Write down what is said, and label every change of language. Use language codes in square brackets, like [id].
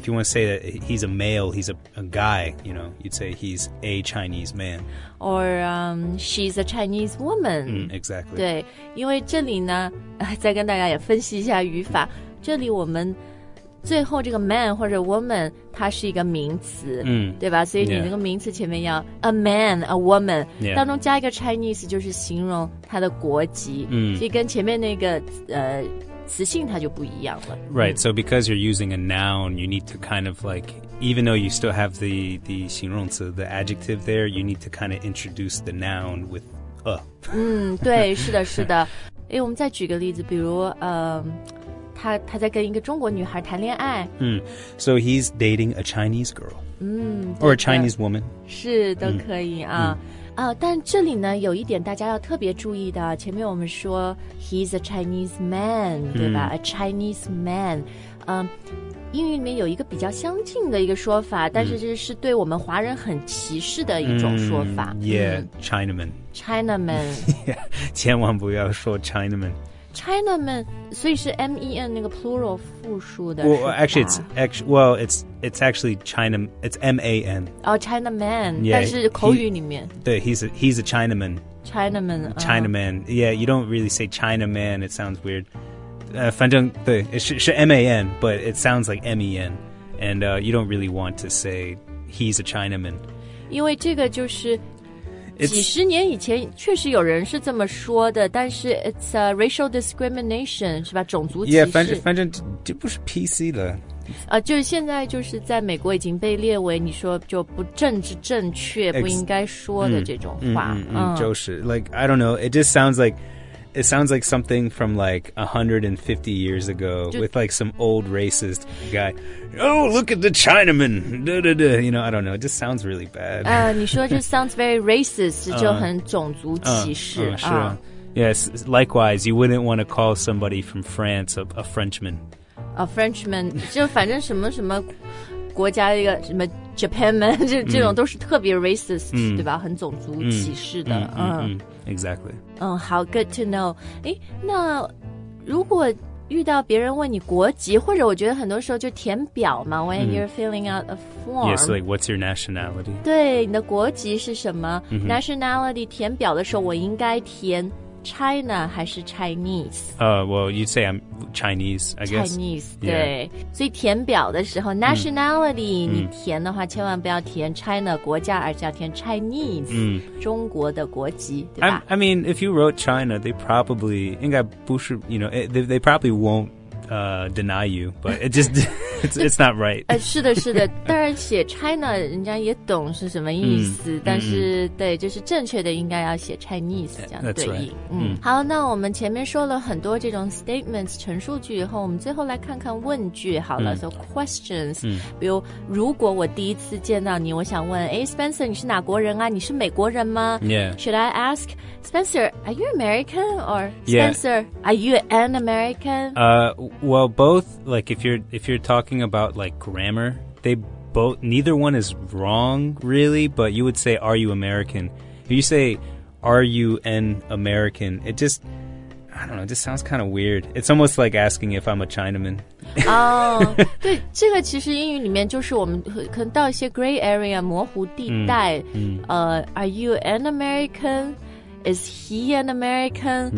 [en] If you want to say that he's a male, he's a guy, you know, you'd say he's a Chinese man. Or she's a Chinese woman. Exactly. [zh] 对因为这里呢再跟大家也分析一下语法这里我们最后这个 man 或者 woman 它是一个名词对吧所以你那个名词前面要 [en] a man, a woman、 yeah. [zh] 当中加一个 Chinese 就是形容它的国籍所以跟前面那个词性它就不一样了 [en] Right, so because you're using a noun you need to kind of like even though you still have the [zh] 形容词 [en] the adjective there you need to kind of introduce the noun with a [zh] 对是的是的我们再举个例子比如他在跟一个中国女孩谈恋爱。 [en] So he's dating a Chinese girl. Or a Chinese woman. [zh] 是都可以啊。但这里呢有一点大家要特别注意的前面我们说 [en] he's a Chinese man, [zh] 对吧 [en] a Chinese man. [zh] 英语里面有一个比较相近的一个说法但是这是对我们华人很歧视的一种说法。 [en] Chinaman. Chinaman. [zh] 千万不要说 Chinaman. Chinaman, 所以是 M-E-N 那个 plural 复数的 [en] Well, actually, it's actually China, it's M-A-N. Oh, Chinaman, yeah, [zh] 但是口语里面。对 [en] he's a Chinaman. Chinaman. Chinaman,yeah, you don't really say Chinaman, it sounds weird. [zh] 反正对 是 [en] M-A-N, but it sounds like M-E-N, and you don't really want to say he's a Chinaman. [zh] 因为这个就是几十年以前确实有人是这么说的但是 [en] it's a racial discrimination [zh] 是吧种族歧视 [en] yeah, [zh] 反正 这不是 PC 了就是现在就是在美国已经被列为你说就不政治正确不应该说的这种话 [en] 就是 like I don't know it just sounds likeIt sounds like something from like 150 years ago with like some old racist guy. Oh, look at the Chinaman. Da, da, da. You know, I don't know. It just sounds really bad. [zh] 你说就 [en] sounds very racist, [zh] 就很种族歧视。 [en] Yes, likewise, you wouldn't want to call somebody from France a Frenchman. [zh] A Frenchman, 就反正什么什么国家一个什么 Japanman, 这种都是特别 racist, 对吧很种族歧视的。 [en] Exactly. How good to know. [zh] 那如果遇到别人问你国籍或者我觉得很多时候就填表嘛 [en] when you're filling out a form. Yes, like what's your nationality? [zh] 对你的国籍是什么、Nationality 填表的时候我应该填 China 还是 Chinese? [en] Well, you'd say I'm Chinese, I guess. [zh] Chinese, 对。所以填表的时候 nationality 你填的话千万不要填 China 国家而是要填 Chinese, 中国的国籍对吧 [en] I mean, if you wrote China, they probably, [zh] 应该不是 [en] you know, they probably won't deny you, but it just, it's not right. [zh] 是的是的当然写 China, 人家也懂是什么意思但是对就是正确的应该要写 Chinese, 这样对应。好那我们前面说了很多这种 statements, 陈述句以后我们最后来看看问句好了 [en] so questions, [zh] 比如如果我第一次见到你我想问 Spencer, 你是哪国人啊你是美国人吗 [en] Yeah. Should I ask, Spencer, are you American? Or Spencer, are you an American? Well, both, like, if you're talking about, like, grammar, neither one is wrong, really, but you would say, are you American? If you say, are you an American, it just, I don't know, it just sounds kind of weird. It's almost like asking if I'm a Chinaman. [zh] Oh, 对,这个其实英语里面就是我们可能到一些 gray area, 模糊地带, [en] are you an American? [zh] Is he an American?